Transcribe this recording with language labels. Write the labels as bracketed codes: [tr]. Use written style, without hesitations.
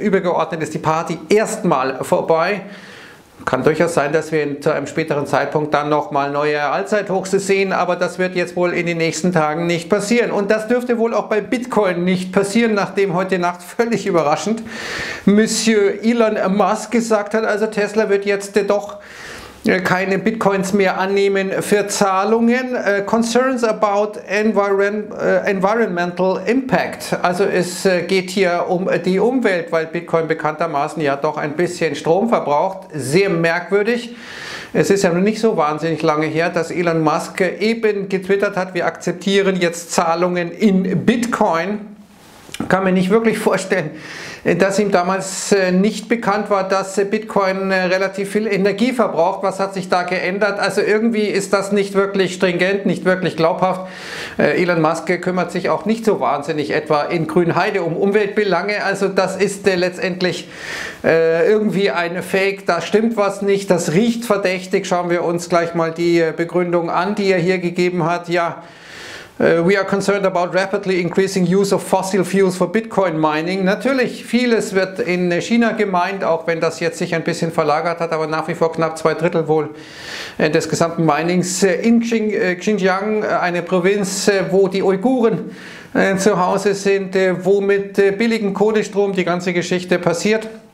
[de] Übergeordnet ist die Party erstmal vorbei. Kann durchaus sein, dass wir zu einem späteren Zeitpunkt dann nochmal neue Allzeithochs sehen, aber das wird jetzt wohl in den nächsten Tagen nicht passieren. Und das dürfte wohl auch bei Bitcoin nicht passieren, nachdem heute Nacht völlig überraschend Monsieur Elon Musk gesagt hat, also Tesla wird jetzt doch keine Bitcoins mehr annehmen für Zahlungen. [en] Concerns about environmental impact. [de] Also es geht hier um die Umwelt, weil Bitcoin bekanntermaßen ja doch ein bisschen Strom verbraucht. Sehr merkwürdig. Es ist ja noch nicht so wahnsinnig lange her, dass Elon Musk eben getwittert hat, wir akzeptieren jetzt Zahlungen in Bitcoin. Kann mir nicht wirklich vorstellen, dass ihm damals nicht bekannt war, dass Bitcoin relativ viel Energie verbraucht. Was hat sich da geändert? Also irgendwie ist das nicht wirklich stringent, nicht wirklich glaubhaft. Elon Musk kümmert sich auch nicht so wahnsinnig etwa in Grünheide um Umweltbelange. Also das ist letztendlich irgendwie ein Fake. Da stimmt was nicht. Das riecht verdächtig. Schauen wir uns gleich mal die Begründung an, die er hier gegeben hat. Ja. [en] We are concerned about rapidly increasing use of fossil fuels for Bitcoin mining. [de] Natürlich, vieles wird in China gemeint, auch wenn das jetzt sich ein bisschen verlagert hat, aber nach wie vor knapp 2/3 wohl des gesamten Minings in Xinjiang, eine Provinz, wo die Uiguren zu Hause sind, wo mit billigem Kohlestrom die ganze Geschichte passiert.